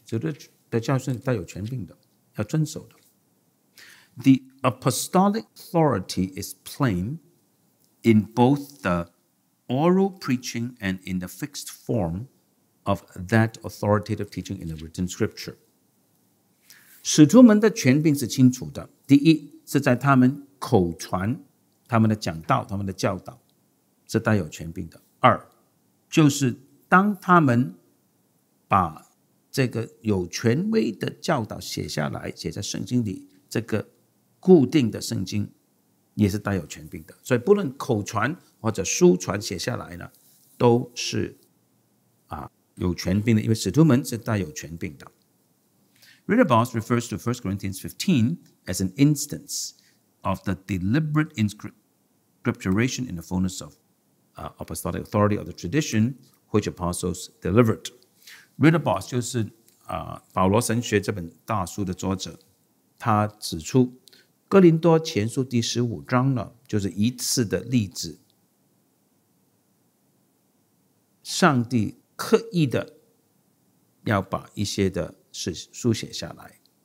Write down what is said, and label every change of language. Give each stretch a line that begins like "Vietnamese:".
Chinese: 使徒的教训带有权柄的，要遵守的。
English: The apostolic authority is plain in both the oral preaching and in the fixed formof that authoritative teaching in the written scripture.
Chinese: 使徒们的权柄是清楚的，第一是在他们口传他们的讲道、他们的教导是带有权柄的，二就是当他们把这个有权威的教导写下来，写在圣经里，这个固定的圣经也是带有权柄的。所以不论口传或者书传写下来呢，都是有权柄的，因为使徒们是带有权柄的。
English: Readabus refers to 1 Corinthians 15 as an instance of the deliberate inscripturation in the fullness of apostolic authority of the tradition which apostles delivered.
Chinese: Readabus 就是保罗神学这本大书的作者，他指出哥林多前书第十五章呢，就是一次的例子，上帝刻意的要把一些的事书写下来。